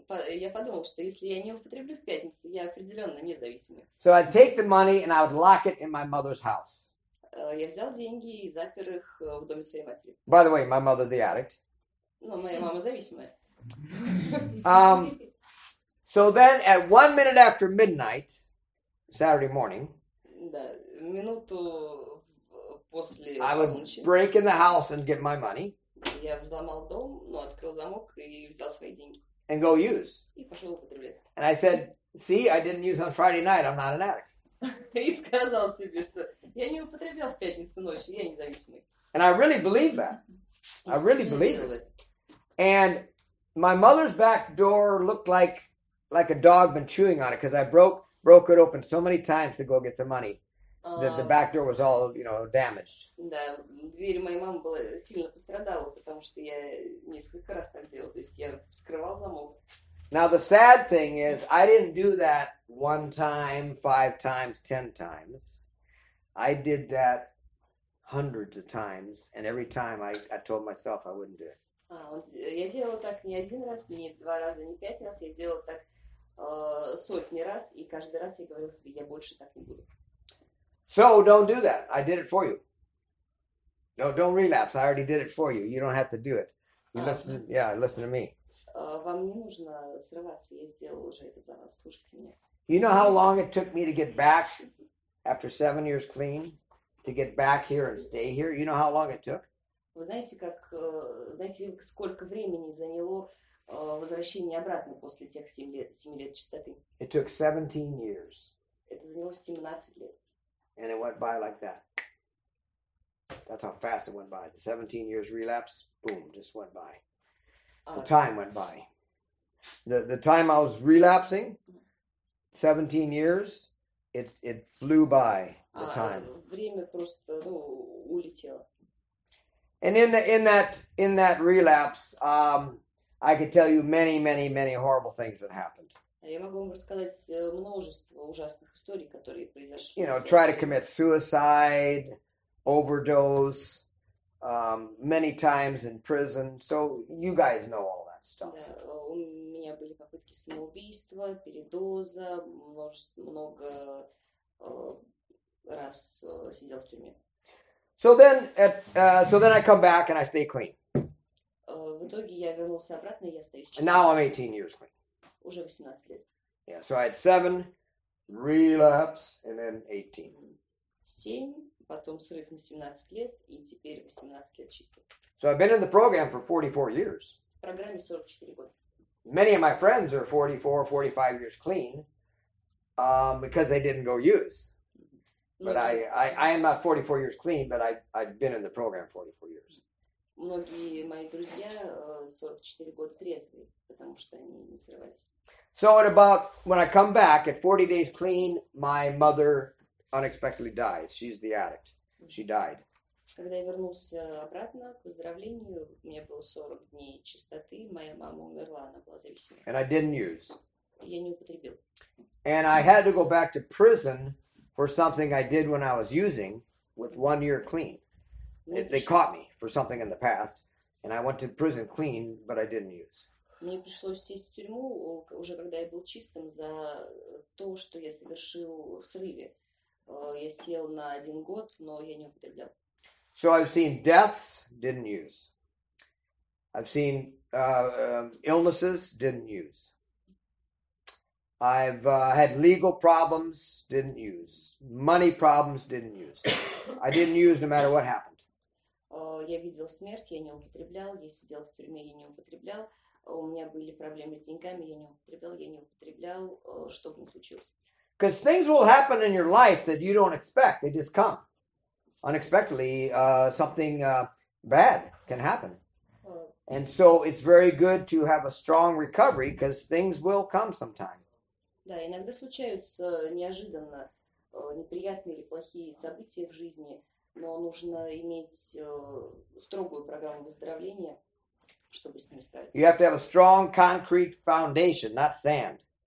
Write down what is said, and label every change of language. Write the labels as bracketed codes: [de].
[ru] Я подумал, что если я не употреблю в пятницу, я определенно независимый. [en] So I'd take the money and I would lock it in my mother's house. [ru] Я взял деньги и запер их в доме своей матери. [en] By the way, my mother the addict. [ru] Ну, моя мама зависимая. [en] So then at 1 minute after midnight, Saturday morning, [ru] да, минуту после [en] I would [ru] полуночи, [en] break in the house and get my money. [ru] Я взломал дом, ну, открыл замок и взял свои деньги. [en] And go use. [ru] И пошел употреблять. [en] And I said, see, I didn't use on Friday night, I'm not an addict. [ru] И сказал себе, что я не употреблял в пятницу ночью, я независимый. [en] And I really believe that. I really believe it. And my mother's back door looked like a dog been chewing on it because I broke it open so many times to go get the money that the back door was all, you know, damaged. [ru] Да, дверь моей мамы была сильно пострадала, потому что я несколько раз так делал, то есть я вскрывал замок. [en] Now the sad thing is I didn't do that 1 time, 5 times, 10 times. I did that hundreds of times, and every time I told myself I wouldn't do it. [ru] Я делал так не один раз, не два раза, не пять раз. Я делал так сотни раз, и каждый раз я говорил себе, я больше так не буду. [en] So don't do that. I did it for you. No, don't relapse. I already did it for you. You don't have to do it. You listen. Yeah, listen to me. [ru] Вам не нужно срываться. Я сделал уже это за вас. Слушайте меня. [en] You know how long it took me to get back after 7 years clean to get back here and stay here? You know how long it took? [ru] Вы знаете, как, знаете, сколько времени заняло возвращение обратно после тех 7 лет чистоты? [en] It took 17 years. [ru] Это заняло 17 лет. [en] And it went by like that. That's how fast it went by. The 17 years relapse, boom, just went by. The time went by. The time I was relapsing, 17 years, it flew by the time. [ru] Время просто, ну, улетело. [en] And in that relapse, I could tell you many, many, many horrible things that happened. [ru] Я могу вам рассказать множество ужасных историй, которые произошли. [en] You know, try to commit suicide, overdose, many times in prison. So you guys know all that stuff. [ru] Да, у меня были попытки самоубийства, передоза, много раз сидел в тюрьме. [en] So then I come back and I stay clean. [ru] В итоге я вернулся обратно, и я остаюсь чистым. [en] Now I'm 18 years clean. [ru] Уже 18 лет. [en] Yeah, so I had 7 Relapse and then 18. [ru] 7, потом срыв на 17 лет, и теперь 18 лет чисто. [en] So I've been in the program for 44 years. [ru] В программе 44 года. [en] Many of my friends are 44, 45 years clean because they didn't go use. But I am not 44 years clean, but I've been in the program 44 years. [ru] Многие мои друзья 44 года трезвые, потому что они не срывались. [en] So at about, when I come back, at 40 days clean, my mother unexpectedly dies. She's the addict. She died. [ru] Когда я вернулся обратно к выздоровлению, мне было 40 дней чистоты, моя мама умерла, она была зависима. [en] And I didn't use. [ru] Я не употребил. [en] And I had to go back to prison for something I did when I was using with 1 year clean. They caught me for something in the past, and I went to prison clean, but I didn't use. [ru] Мне пришлось сесть в тюрьму, уже когда я был чистым, за то, что я совершил в срыве. Я сел на 1 год, но я не употреблял. [en] So I've seen deaths, didn't use. I've seen illnesses, didn't use. I've had legal problems, didn't use. Money problems, didn't use. I didn't use no matter what happened. [ru] Я видел смерть, я не употреблял. Я сидел в тюрьме, я не употреблял. У меня были проблемы с деньгами, я не употреблял, что бы ни случилось. [en] Because things will happen in your life that you don't expect. They just come. Unexpectedly, something bad can happen. And so it's very good to have a strong recovery because things will come sometime. [ru] Да, иногда случаются неожиданно неприятные или плохие события в жизни, но нужно иметь строгую программу выздоровления, чтобы с ними справиться. [en] You have to have a strong concrete foundation, not sand.